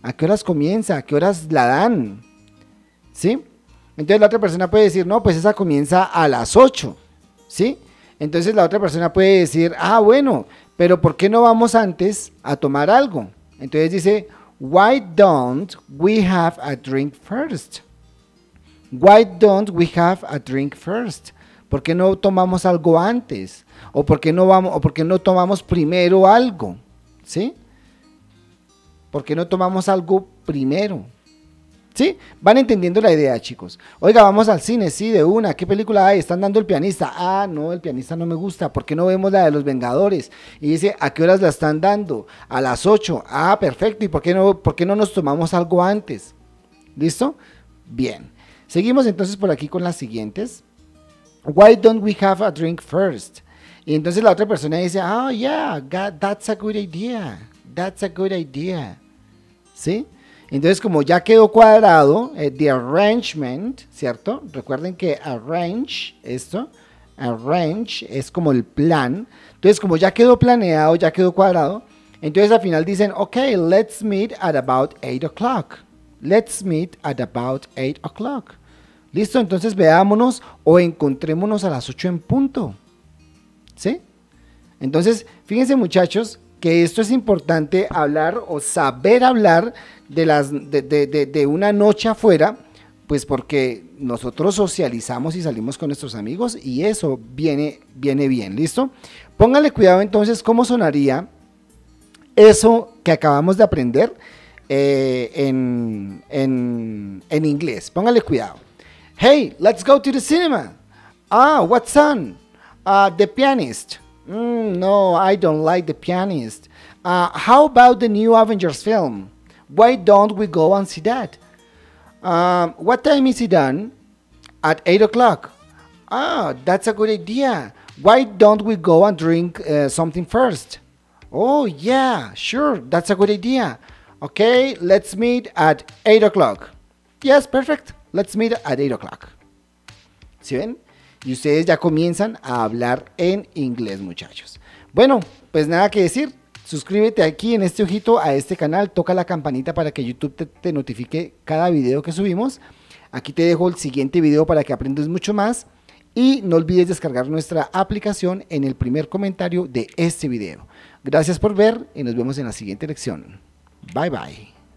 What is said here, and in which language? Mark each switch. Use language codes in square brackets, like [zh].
[es] ¿A qué horas comienza? ¿A qué horas la dan? ¿Sí? Entonces la otra persona puede decir, no, pues esa comienza a las 8. ¿Sí? Entonces la otra persona puede decir, ah, bueno, pero ¿por qué no vamos antes a tomar algo? Entonces dice, [en] why don't we have a drink first? Why don't we have a drink first? [es] ¿Por qué no tomamos algo antes? ¿O por qué no vamos, o por qué no tomamos primero algo? ¿Sí? ¿Por qué no tomamos algo primero? ¿Sí? Van entendiendo la idea, chicos. Oiga, vamos al cine, sí, de una. ¿Qué película hay? Están dando El Pianista. Ah, no, El Pianista no me gusta. ¿Por qué no vemos la de Los Vengadores? Y dice, ¿a qué horas la están dando? A las 8. Ah, perfecto. ¿Y por qué no nos tomamos algo antes? ¿Listo? Bien. Seguimos entonces por aquí con las siguientes. [en] Why don't we have a drink first? [es] Y entonces la otra persona dice, [en] oh yeah, that's a good idea. That's a good idea. [es] ¿Sí? Entonces, como ya quedó cuadrado, [en] the arrangement, [es] ¿cierto? Recuerden que arrange, esto, arrange es como el plan. Entonces, como ya quedó planeado, ya quedó cuadrado, entonces al final dicen, [en] ok, let's meet at about 8 o'clock. Let's meet at about 8 o'clock. [es] ¿Listo? Entonces veámonos o encontrémonos a las 8 en punto. ¿Sí? Entonces, fíjense, muchachos, que esto es importante hablar o saber hablar de una noche afuera, pues porque nosotros socializamos y salimos con nuestros amigos y eso viene bien, ¿listo? Póngale cuidado entonces cómo sonaría eso que acabamos de aprender en inglés. Póngale cuidado. [en] Hey, let's go to the cinema. Ah, what's on? The Pianist. No, I don't like The Pianist. How about the new Avengers film? Why don't we go and see that? What time is it done? At 8 o'clock. Ah, that's a good idea. Why don't we go and drink something first? Oh, yeah, sure, that's a good idea. Okay, let's meet at 8 o'clock. Yes, perfect. Let's meet at 8 o'clock. [es] ¿Sí ven? Y ustedes ya comienzan a hablar en inglés, muchachos. Bueno, pues nada que decir. Suscríbete aquí en este ojito a este canal, toca la campanita para que YouTube te notifique cada video que subimos. Aquí te dejo el siguiente video para que aprendas mucho más y no olvides descargar nuestra aplicación en el primer comentario de este video. Gracias por ver y nos vemos en la siguiente lección. [en] Bye bye.